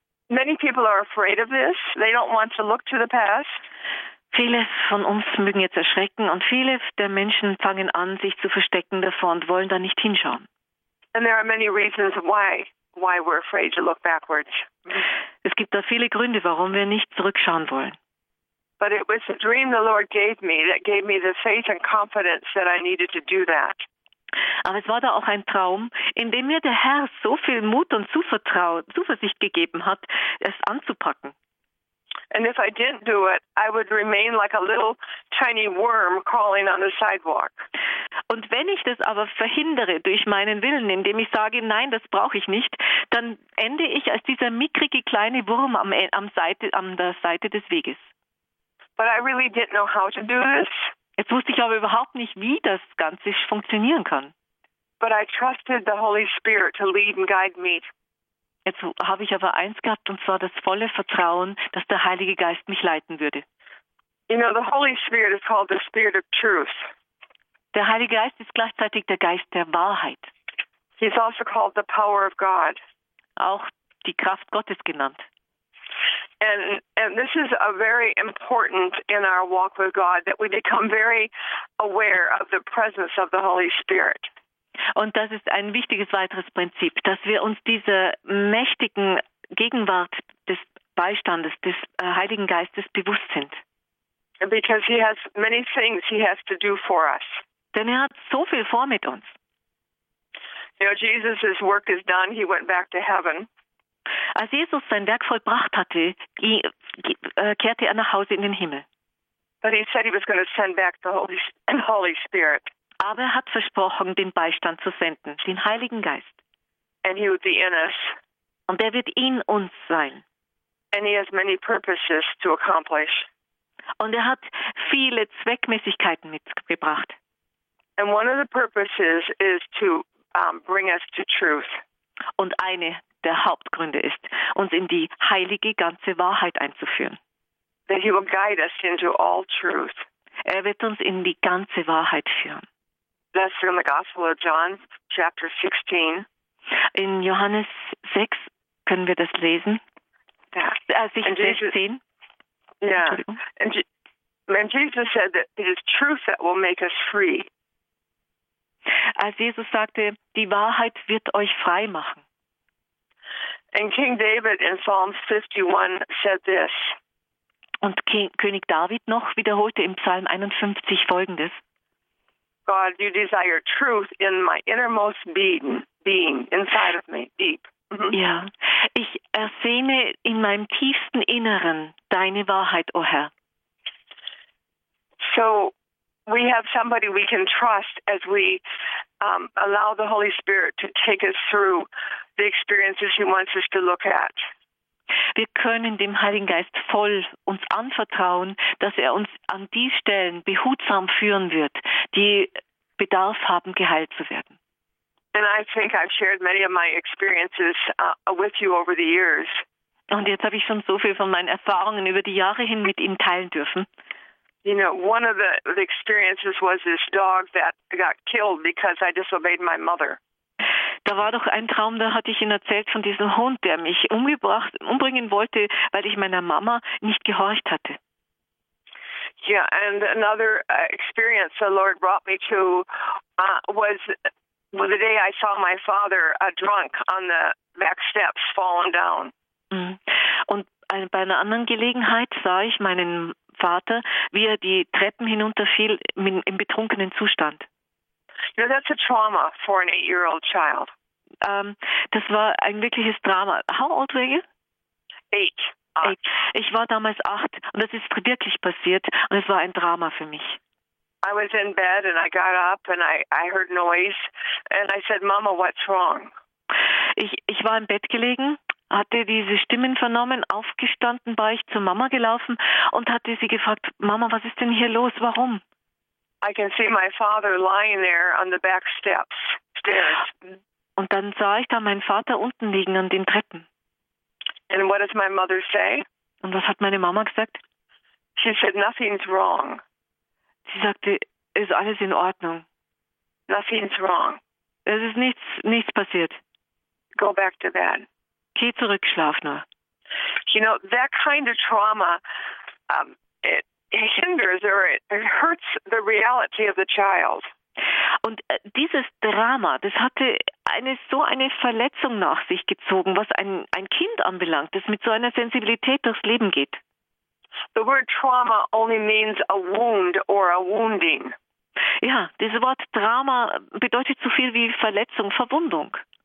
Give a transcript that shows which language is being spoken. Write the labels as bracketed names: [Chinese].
[English] Many people are afraid of this. They don't want to look to the past. [German] Viele von uns mögen jetzt erschrecken und viele der Menschen fangen an, sich zu verstecken davor und wollen da nicht hinschauen. [English] And there are many reasons why we're afraid to look backwards. [German] Es gibt da viele Gründe, warum wir nicht zurückschauen wollen. [English] But it was a dream the Lord gave me that gave me the faith and confidence that I needed to do that. [German] Aber es war da auch ein Traum, in dem mir der Herr so viel Mut und Zuversicht gegeben hat, es anzupacken. [English] And if I didn't do it, I would remain like a little tiny worm crawling on the sidewalk. [German] Und wenn ich das aber verhindere durch meinen Willen, indem ich sage, nein, das brauche ich nicht, dann ende ich als dieser mickrige kleine Wurm an der Seite des Weges. [English] But I really didn't know how to do this. [German] Jetzt wusste ich aber überhaupt nicht, wie das Ganze funktionieren kann. [English] But I trusted the Holy Spirit to lead and guide me. [German] Jetzt habe ich aber eins gehabt, und zwar das volle Vertrauen, dass der Heilige Geist mich leiten würde. [English] You know, the Holy Spirit is called the Spirit of Truth. [German] Der Heilige Geist ist gleichzeitig der Geist der Wahrheit. [English] He's also called the power of God. [German] Auch die Kraft Gottes genannt. [English] And this is a very important in our walk with God, that we become very aware of the presence of the Holy Spirit. [German] Und das ist ein wichtiges weiteres Prinzip, dass wir uns dieser mächtigen Gegenwart des Beistandes, des Heiligen Geistes bewusst sind. [English] Because he has many things he has to do for us. [German] Denn er hat so viel vor mit uns. [English] You know, Jesus' work is done, he went back to heaven. [German] Als Jesus sein Werk vollbracht hatte, kehrte er nach Hause in den Himmel. [English] But he said he was going to send back the Holy Spirit. [German] Aber er hat versprochen, den Beistand zu senden, den Heiligen Geist. [English] And he would be in us. [German] Und er wird in uns sein. [English] And he has many purposes to accomplish. [German] Und er hat viele Zweckmäßigkeiten mitgebracht. [English] And one of the purposes is to bring us to truth. [German] Und eine der Hauptgründe ist, uns in die heilige ganze Wahrheit einzuführen. [English] That he will guide us into all truth. [German] Er wird uns in die ganze Wahrheit führen. [English] That's from the Gospel of John, chapter 16. [German] In Johannes 6 können wir das lesen. [English] Yeah. 16. And Jesus said that it is truth that will make us free. [German] Als Jesus sagte, die Wahrheit wird euch frei machen. [English] And King David in Psalm 51 said this. [German] Und König David noch wiederholte im Psalm 51 Folgendes. [English] God, you desire truth in my innermost being, inside of me, deep. [German] Ja, ich ersehne in meinem tiefsten Inneren deine Wahrheit, o Herr. [English] So we have somebody we can trust as we allow the Holy Spirit to take us through the experiences he wants us to look at. [German] Wir können dem Heiligen Geist voll uns anvertrauen, dass er uns an die Stellen behutsam führen wird, die Bedarf haben, geheilt zu werden. [English] And I think I've shared many of my experiences with you over the years. [German] Und jetzt habe ich schon so viel von meinen Erfahrungen über die Jahre hin mit Ihnen teilen dürfen. [English] You know, one of the experiences was this dog that got killed because I disobeyed my mother. [German] Da war doch ein Traum, da hatte ich Ihnen erzählt von diesem Hund, der mich umbringen wollte, weil ich meiner Mama nicht gehorcht hatte. [English] Yeah, and another experience the Lord brought me to was the day I saw my father drunk on the back steps, fallen down. [German] Und bei einer anderen Gelegenheit sah ich meinen Vater, wie er die Treppen hinunterfiel im betrunkenen Zustand. [English] You know, that's a trauma for an 8-year-old child. [German] Das war ein wirkliches Drama. [English] How old were you? 8. [German] Ich war damals 8 und das ist wirklich passiert und es war ein Drama für mich. [English] I was in bed and I got up and I heard noise and I said, Mama, what's wrong? [German] Ich war im Bett gelegen, hatte diese Stimmen vernommen, aufgestanden, war ich zur Mama gelaufen und hatte sie gefragt, Mama, was ist denn hier los? Warum? [English] I can see my father lying there on the back steps, stairs. [German] Und dann sah ich da meinen Vater unten liegen an den Treppen. [English] And what does my mother say? [German] Und was hat meine Mama gesagt? [English] She said, nothing's wrong. [German] Sie sagte, ist alles in Ordnung. [English] Nothing's wrong. [German] Es ist nichts passiert. [English] Go back to bed. [German] Geh zurück, schlaf nur. [English] You know, that kind of trauma, it hinders or it hurts the reality of the child. [German] Und dieses Drama, das hatte eine Verletzung nach sich gezogen, was ein Kind anbelangt, das mit so einer Sensibilität durchs Leben geht. [English] The word trauma only means a wound or a wounding. [German] Ja, dieses Wort Drama bedeutet so viel wie Verletzung, Verwundung.